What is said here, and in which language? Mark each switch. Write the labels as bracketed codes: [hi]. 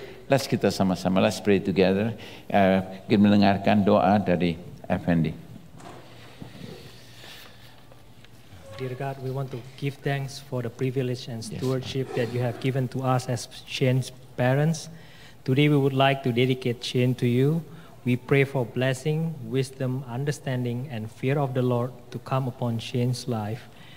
[en] Let's [id] kita sama-sama, [en] let's pray together. [id] Kita mendengarkan doa dari FND. [en] Dear God, we want to give thanks for the privilege and stewardship that you have given to us as Sian's parents. Today we would like to dedicate Sian to you. We pray for blessing, wisdom, understanding and fear of the Lord to come upon Sian's life.